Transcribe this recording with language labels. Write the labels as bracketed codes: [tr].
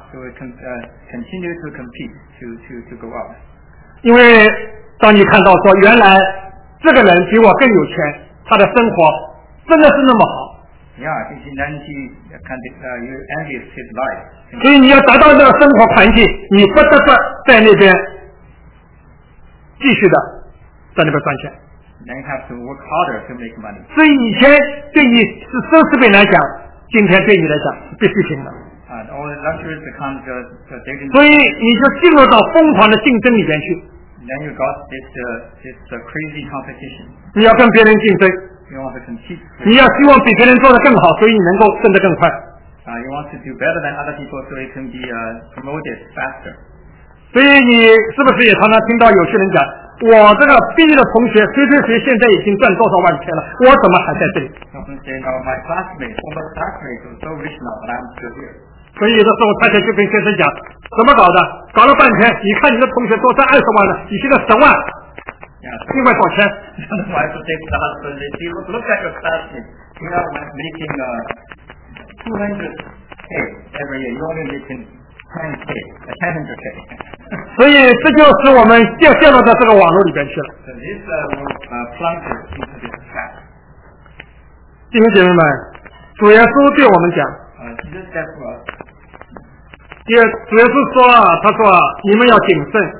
[en] So we continue to compete to go up. [zh] 因为当你看到说原来这个人比我更有钱，他的生活真的是那么好。 [en] Yeah, then he can you envy his life. [zh] 所以你要达到那个生活环境，你不得不在那边继续的在那边赚钱。 [en] Then you have to work harder to make money. [zh] 所以以前对你是奢侈品来讲，今天对你来讲是必需品了。 [en] All the luxuries become the dating. [zh] 所以你就进入到疯狂的竞争里边去。 [en] Then you got this crazy competition. [zh] 你要跟别人竞争。 [en] You want to compete. [zh] 你要希望比别人做得更好，所以你能够升得更快。 [en] You want to do better than other people, so you can be promoted faster. [zh] 所以你是不是也常常听到有些人讲，我这个毕业的同学谁谁谁现在已经赚多少万钱了，我怎么还在这里？ [en] My classmates, all my classmates are so rich now, but I'm still here. [zh] 所以有的时候太太就跟先生讲，怎么搞的？搞了半天，你看你的同学都赚20万了，你现在10万。 [en] Yeah, [zh] 另外道歉。 [en] The wife said to the husband, if you look at your classmates, you are making 200K every year. You're only making 10K, 100K. [zh] 所以这就是我们陷入到这个网络里边去了。 [en] So this plunged into this trap. [zh] 弟兄姐妹们，主耶稣对我们讲。 [en] Jesus said to us. [zh] 主耶稣说啊，他说啊，你们要谨慎，